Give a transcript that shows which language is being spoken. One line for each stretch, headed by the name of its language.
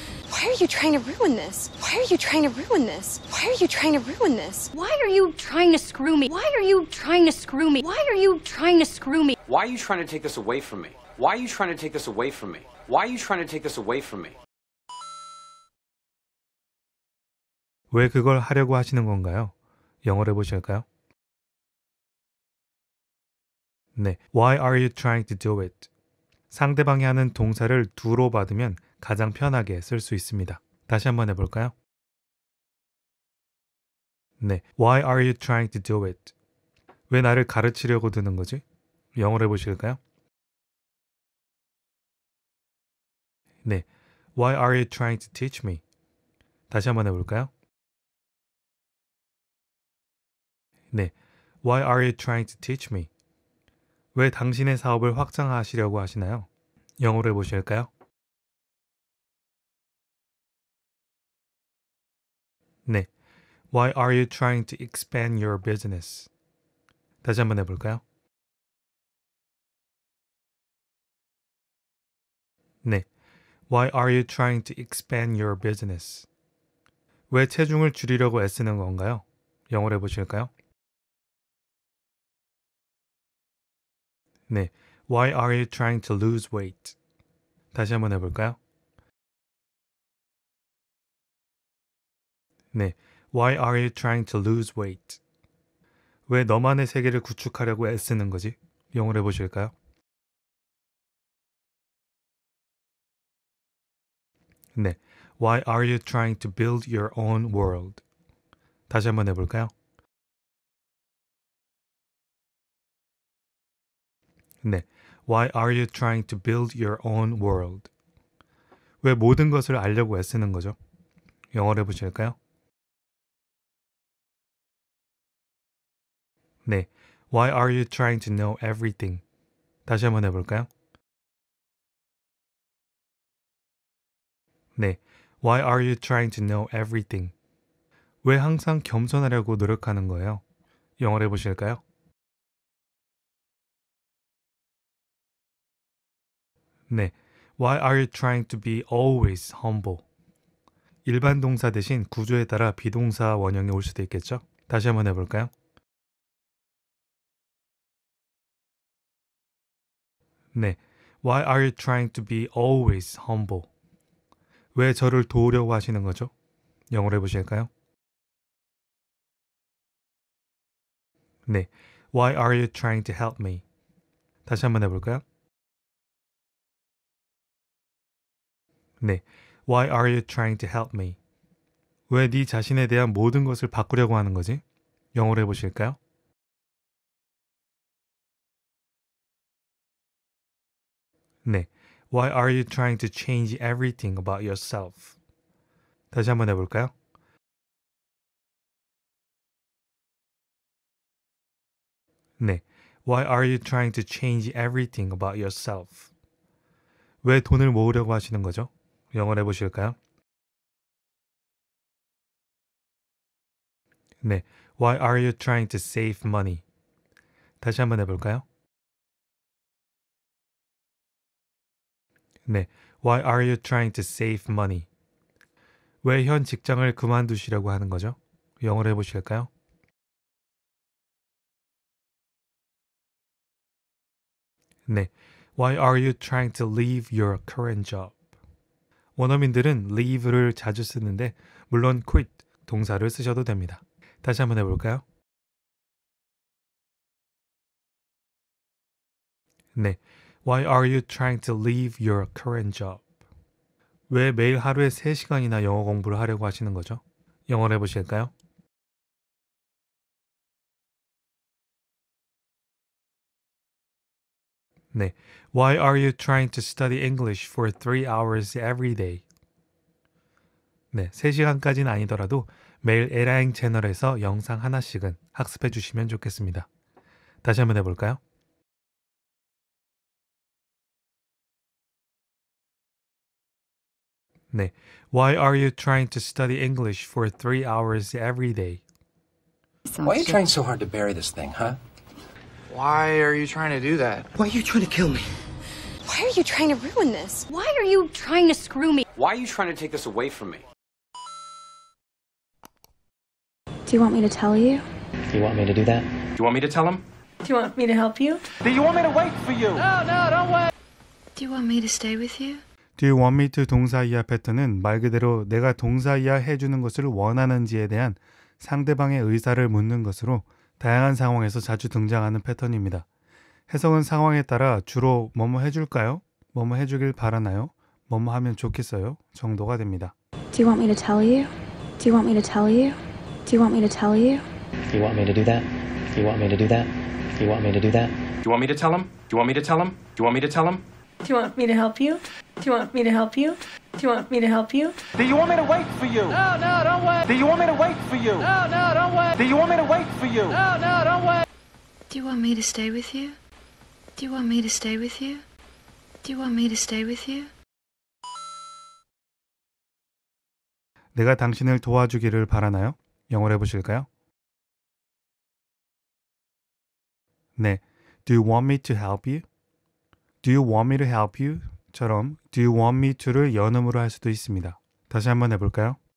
English: Why are you trying to ruin this? Why are you trying to ruin this? Why are you trying to ruin this? Why are you trying to screw me? Why are you trying to screw me? Why are you trying to screw me? Why are you trying to take this away from me? Why are you trying to take this away from me? Why are you trying to take this away from me?
Korean: 왜 그걸 하려고 하시는 건가요? 영어로 해보실까요?
English: 네, Why are you trying to do it?
Korean: 상대방이 하는 동사를 do로 받으면 가장 편하게 쓸 수 있습니다. 다시 한번 해볼까요?
English: 네, Why are you trying to do it?
Korean: 왜 나를 가르치려고 드는 거지? 영어로 해보실까요?
English: 네, Why are you trying to teach me?
Korean: 다시 한번 해볼까요?
English: 네, Why are you trying to teach me?
Korean: 왜 당신의 사업을 확장하시려고 하시나요? 영어로 해보실까요?
English: 네, Why are you trying to expand your business?
Korean: 다시 한번 해볼까요?
English: 네, Why are you trying to expand your business?
Korean: 왜 체중을 줄이려고 애쓰는 건가요? 영어로 해보실까요?
English: 네, Why are you trying to lose weight?
Korean: 다시 한번 해볼까요?
English: 네, Why are you trying to lose weight?
Korean: 왜 너만의 세계를 구축하려고 애쓰는 거지? 영어로 해보실까요?
English: 네, Why are you trying to build your own world?
Korean: 다시 한번 해볼까요?
English: 네, Why are you trying to build your own world?
Korean: 왜 모든 것을 알려고 애쓰는 거죠? 영어로 해보실까요?
English: 네, Why are you trying to know everything?
Korean: 다시 한번 해볼까요?
English: 네, Why are you trying to know everything?
Korean: 왜 항상 겸손하려고 노력하는 거예요? 영어로 해보실까요?
English: 네, Why are you trying to be always humble?
Korean: 일반 동사 대신 구조에 따라 비동사 원형이 올 수도 있겠죠? 다시 한번 해볼까요?
English: 네, Why are you trying to be always humble?
Korean: 왜 저를 도우려고 하시는 거죠? 영어로 해보실까요?
English: 네, Why are you trying to help me?
Korean: 다시 한번 해볼까요?
English: 네, Why are you trying to help me?
Korean: 왜 네 자신에 대한 모든 것을 바꾸려고 하는 거지? 영어로 해보실까요?
English: 네, Why are you trying to change everything about yourself?
Korean: 다시 한번 해볼까요?
English: 네, Why are you trying to change everything about yourself?
Korean: 왜 돈을 모으려고 하시는 거죠? 영어로 해보실까요?
English: 네, Why are you trying to save money?
Korean: 다시 한번 해볼까요?
English: 네, Why are you trying to save money?
Korean: 왜 현 직장을 그만두시려고 하는 거죠? 영어로 해보실까요?
English: 네, Why are you trying to leave your current job?
Korean: 원어민들은 leave를 자주 쓰는데 물론 quit 동사를 쓰셔도 됩니다. 다시 한번 해볼까요?
English: 네, Why are you trying to leave your current job?
Korean: 왜 매일 하루에 3시간이나 영어 공부를 하려고 하시는 거죠? 영어로 해보실까요?
English: 네, Why are you trying to study English for 3 hours every day?
Korean: 네, 3시간까지는 아니더라도 매일 에라잉 채널에서 영상 하나씩은 학습해 주시면 좋겠습니다. 다시 한번 해볼까요?
English: Why are you trying to study English for 3 hours every day? Why are you trying so hard to bury this thing, huh? Why are you trying to do that? Why are you trying to kill me? Why are you trying to ruin this? Why are you trying to screw me? Why are you trying to take this away from me? Do you want me to tell you? You want me to do that? Do you want me to tell him? Do you want me to help you? Do you want me to wait for you? No, don't wait! Do you want me to stay with you? Do you want me to
Korean: 동사 이하 패턴은 말 그대로 내가 동사 이하 해주는 것을 원하는지에 대한 상대방의 의사를 묻는 것으로 다양한 상황에서 자주 등장하는 패턴입니다. 해석은 상황에 따라 주로 뭐뭐 해줄까요? 뭐뭐 해주길 바라나요? 뭐뭐 하면 좋겠어요? 정도가 됩니다.
English: Do you want me to tell you? Do you want me to tell you? Do you want me to tell you? You want me to do that? You want me to do that? You want me to do that? Do you want me to tell him? Do you want me to tell him? Do you want me to tell him? Do you want me to help you? Do you want me to help you? Do you want me to help you? Do you want me to wait for you? No, don't wait. Do you want me to wait for you? No, don't wait. Do you want me to wait for you? No, don't wait. Do you want me to stay with you? Do you want me to stay with you? Do you want me to stay with you?
Korean: 내가 당신을 도와주기를 바라나요? 영어로 해보실까요?
English: 네. Do you want me to help you? Do you want me to help you?
Korean: 처럼
English: Do you want me to
Korean: 를 연음으로 할 수도 있습니다. 다시 한번 해볼까요?